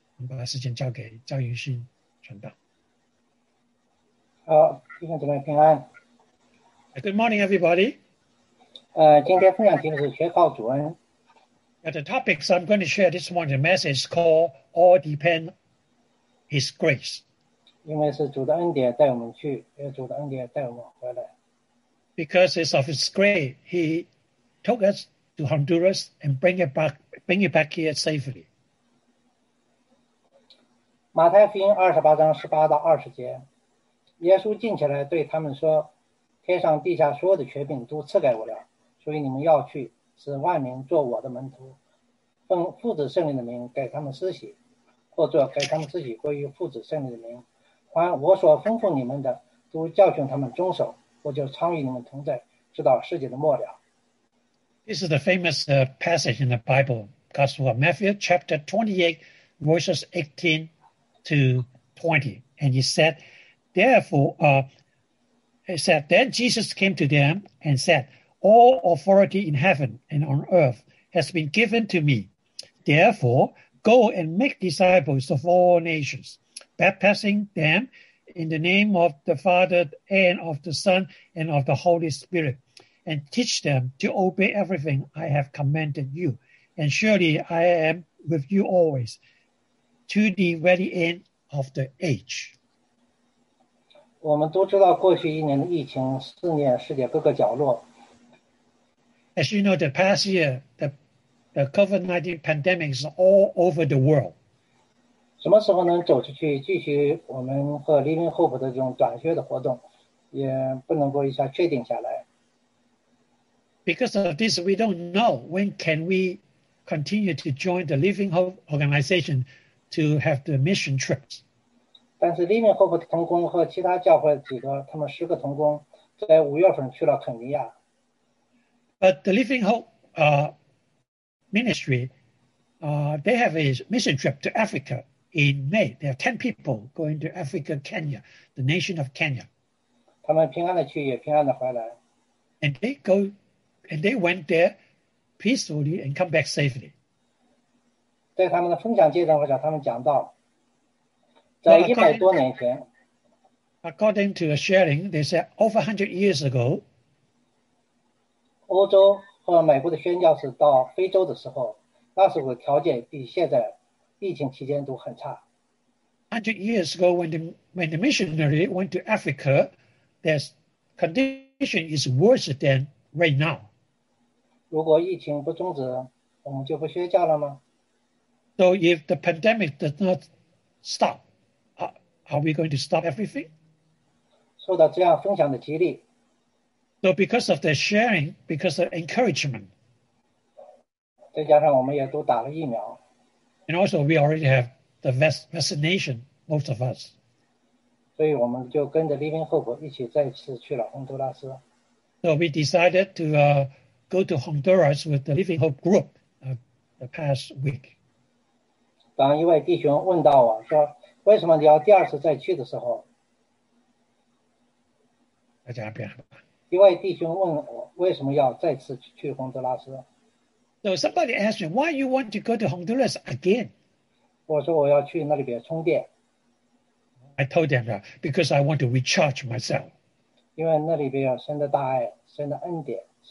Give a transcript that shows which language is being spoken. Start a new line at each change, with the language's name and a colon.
Chinese: 我们把时间交给张云勋传道。好，弟兄姊妹平安。
English: Good morning, everybody.
Chinese: 今天分享题目是学靠主恩。
English: The topics I'm going to share this morning, the message is called "All Depend His Grace."
Chinese: 因为是主的恩典带我们去，因为主的恩典带我们回来。
English: Because it's of His grace, He took us to Honduras and bring it back here safely.
Chinese: 马太福音28章18到20节。耶稣进起来对他们说，天上地下所有的权柄都赐给我了，所以你们要去，使万民做我的门徒，奉父子圣灵的名给他们施洗，或者给他们施洗归于父子圣灵的名，凡我所吩咐你们的都教训他们遵守，我就常与你们同在，直到世界的末了。
English: This is the famous passage in the Bible, Gospel of Matthew, chapter 28, verses 18 to 20. And he said, therefore, he said, then Jesus came to them and said, all authority in heaven and on earth has been given to me. Therefore, go and make disciples of all nations, baptizing them in the name of the Father and of the Son and of the Holy Spirit. And teach them to obey everything I have commanded you. And surely I am with you always, to the very end of the age.
Chinese: 我们都知道，过去一年的疫情肆虐世界各个角落。
English: As you know, the past year, the COVID-19 pandemic is all over the world.
Chinese: 什么时候能走出去，继续我们和黎明后补的这种短缺的活动，也不能够一下确定下来。
English: Because of this, we don't know when can we continue to join the Living Hope organization to have the mission trips.
Chinese: 但是 Living Hope 的同工和其他教会几个，他们10个同工在5月份去了肯尼亚。
English: But the Living Hope ministry, they have a mission trip to Africa in May. There are 10 people going to Africa, Kenya, the nation of Kenya.
Chinese: 他们平安的去，也平安的回来。
English: And they go. And they went there peacefully and come back safely.
Chinese: 在他们的分享阶段，或者他们讲到，在100多年前
English: ，According to a sharing, they said over 100 years ago,
Chinese: 欧洲和美国的宣教士到非洲的时候，那时候的条件比现在疫情期间都很差。
English: 100 years ago, when the missionary went to Africa, their condition is worse than right now.
Chinese: 如果疫情不终止，我们就不宣教了吗
English: ？So if the pandemic does not stop, are we going to stop everything?
Chinese: 受到这样分享的激励
English: ，So because of the sharing, because of encouragement,
Chinese: 再加上我们也都打了疫苗
English: ，and also we already have the vaccination, most of us.
Chinese: 所以我们就跟着 Living Hope 一起再次去了洪都拉斯。
English: So we decided to go to Honduras with the Living Hope group the past week.
Chinese: 当一位弟兄问到我说，为什么你要第二次再去的时候，大家别害怕。一位弟兄问我为什么要再次去洪都拉斯。
English: So somebody asked me, why you want to go to Honduras again?
Chinese: 我说我要去那里边充电。
English: I told them that because I want to recharge myself.
Chinese: 因为那里边有神的大爱，神的恩典。